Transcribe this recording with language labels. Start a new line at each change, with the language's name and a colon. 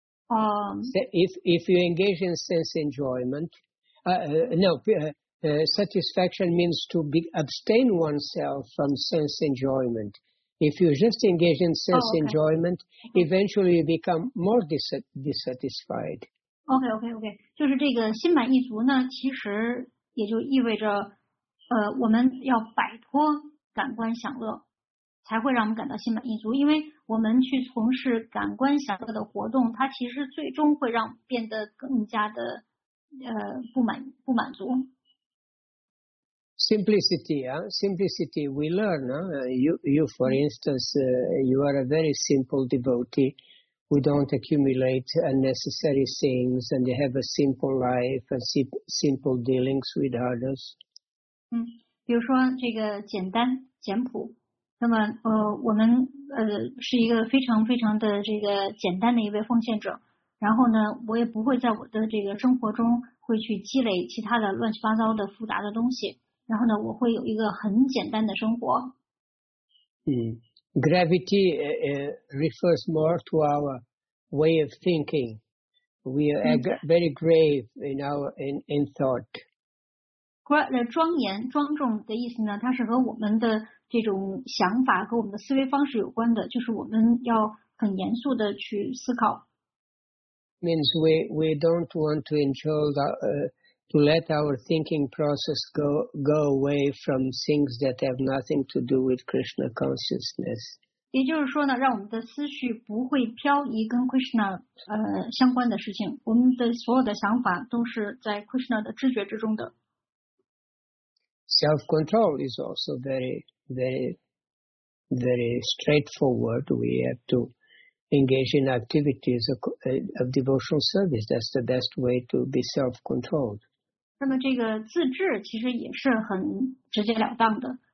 English: If you engage in sense enjoyment, satisfaction means to abstain oneself from sense enjoyment. If you just engage in sense enjoyment, eventually you become more dissatisfied. Okay.
Chinese: 就是这个心满意足呢，其实也就意味着，我们要摆脱感官享乐，才会让我们感到心满意足。因为我们去从事感官享乐的活动，它其实最终会让变得更加的，不满足。
English: Simplicity. We learn. You, for instance, you are a very simple devotee. We don't accumulate unnecessary things and they have a simple life and simple dealings with others.
Chinese: 比如说这个简单简朴。那么我们是一个非常非常的这个简单的一位奉献者。然后呢我也不会在我的这个生活中会去积累其他的乱七八糟的复杂的东西。然后呢我会有一个很简单的生活。
English: Gravity refers more to our way of thinking. We are very grave in our in thought.
Chinese: 庄严庄重的意思呢，它是和我们的这种想法和我们的思维方式有关的，就是我们要很严肃的去思考。
English: Means we don't want to enthold to let our thinking process go away from things that have nothing to do with Krishna consciousness.
Chinese: 也就是说呢，让我们的思绪不会飘移跟 Krishna 相关的事情，我们的所有的想法都是在 Krishna 的知觉之中的。
English: Self-control is also very, very, very straightforward. We have to engage in activities of devotional service. That's the best way to be self-controlled.
Chinese: 那么这个自制其实也是很直截了当的。